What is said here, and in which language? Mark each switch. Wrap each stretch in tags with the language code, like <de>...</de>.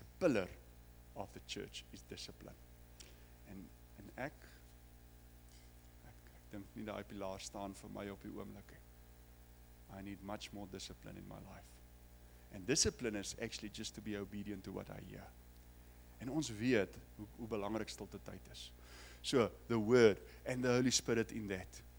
<en>It's a pillar of the church is discipline.</en> <af>En ek, dink nie daai pilaar staan vir my op die oomblik.</af> <en>I need much more discipline in my life. And discipline is actually just to be obedient to what I hear.</en> <af>En ons weet hoe belangrik stilte tyd is.</af> <en>So, the word and the Holy Spirit in that.</en>